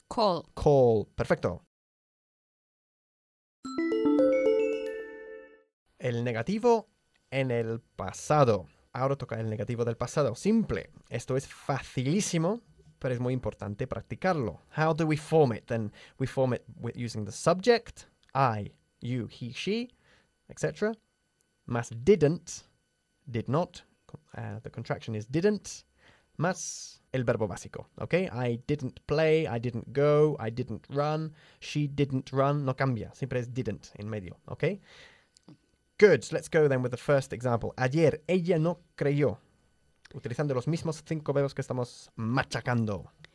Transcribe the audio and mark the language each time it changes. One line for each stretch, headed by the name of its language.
English: Call. Call. Perfecto.
Spanish: El negativo en el pasado. ahora toca el negativo del pasado. Simple. Esto es facilísimo, pero es muy importante practicarlo.
English: How do we form it? Then we form it with using the subject. I, you, he, she, etc. Más didn't, did not. The contraction is didn't.
Spanish: Más el verbo básico,
English: ¿ok? I didn't play, I didn't go, I didn't run, she didn't run.
Spanish: No cambia, siempre es didn't en medio, ¿ok?
English: Good, let's go then with the first example.
Spanish: Ayer, ella no creyó. Utilizando los mismos cinco verbos que estamos machacando.